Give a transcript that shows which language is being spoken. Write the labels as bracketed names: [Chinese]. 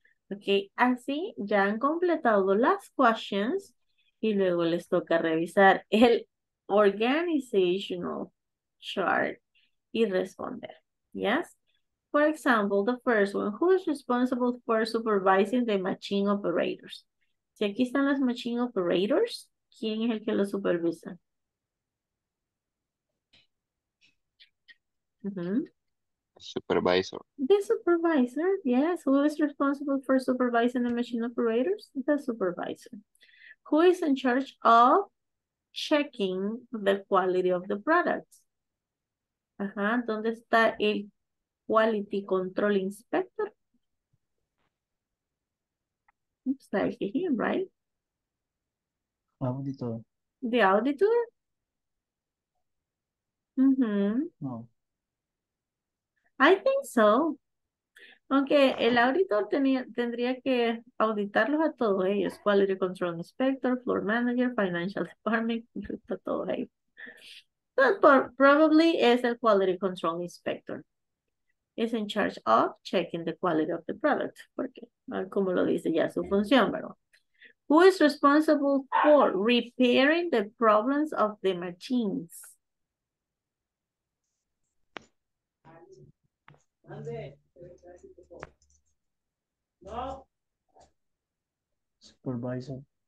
[Spanish] Okay, así ya han completado las questions y luego les toca revisar el organizational chart y responder. [English] Yes? For example, the first one, who is responsible for supervising the machine operators? [Spanish] Si aquí están las machine operators, ¿quién es el que lo supervisa? [English] Supervisor. The supervisor, yes. Who is responsible for supervising the machine operators? The supervisor. Who is in charge of checking the quality of the products? [Spanish] Ajá, ¿dónde está el Quality Control Inspector? [English] Oops, like him, right? Auditor. The auditor? Mm-hmm. No. I think so. [Spanish] Aunque el auditor tendría que auditarlos a todos ellos. Quality Control Inspector, Floor Manager, Financial Department, a todos ellos. [English] But probably [Spanish] es el [English] Quality Control Inspector. Is in charge of checking the quality of the product. [Spanish] Porque, como lo dice ya su función, ¿verdad? [English] Who is responsible for repairing the problems of the machines? Supervisor.